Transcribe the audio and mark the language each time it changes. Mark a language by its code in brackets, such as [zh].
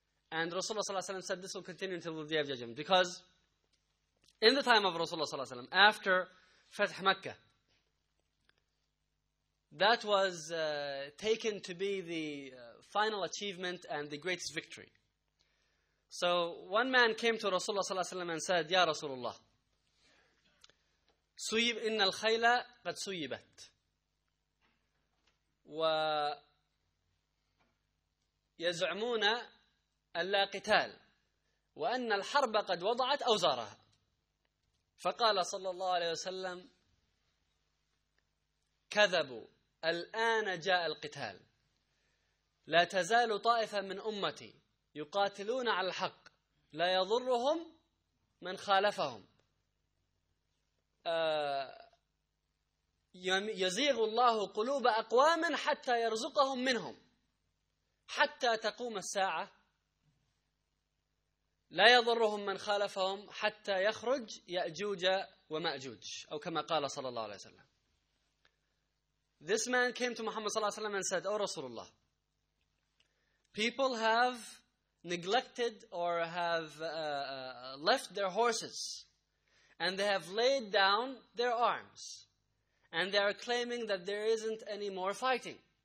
[en] And Rasulullah ﷺ said this will continue until the Day of Judgment. Because in the time of Rasulullah ﷺ, after Fath Mecca, that was taken to be the final achievement and the greatest victory. So one man came to Rasulullah ﷺ and said, Ya Rasulullah, [ar] Suyib inna al-khayla qad suyibat. Wa يزعمون ألا قتال وأن الحرب قد وضعت أوزارها فقال صلى الله عليه وسلم كذبوا الآن جاء القتال لا تزال طائفة من أمتي يقاتلون على الحق لا يضرهم من خالفهم يزيغ الله قلوب أقوام حتى يرزقهم منهم حتى تقوم الساعة لا يضرهم من خالفهم حتى يخرج يأجوج ومأجوج أو كما قال صلى الله عليه وسلم. [en] This man came to Muhammad صلى الله عليه وسلم and said, O Rasulullah, people have neglected or have left their horses and they have laid down their arms and they are claiming that there isn't any more fighting.